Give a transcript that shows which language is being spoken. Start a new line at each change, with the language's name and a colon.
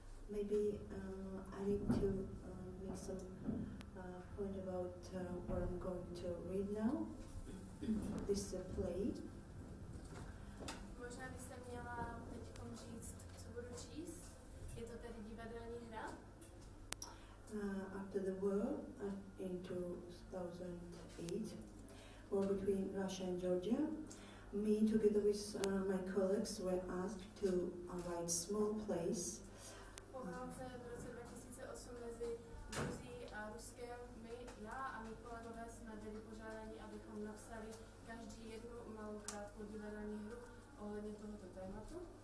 English: Maybe I need to make some point about what I'm going to read now. This is a play.
Czech: Možná by se měla teď říct, co budu číst. Je to tedy divadelní hra.
English: After the war in 2008, war between Russia and Georgia, me together with my colleagues were asked to write small plays.
Czech: Po válce v roce 2008 mezi Gruzií a Ruskem, já a mý kolegové jsme byli požádáni, abychom napsali každý jednu malou krátkou divadelní hru ohledně tohoto tématu.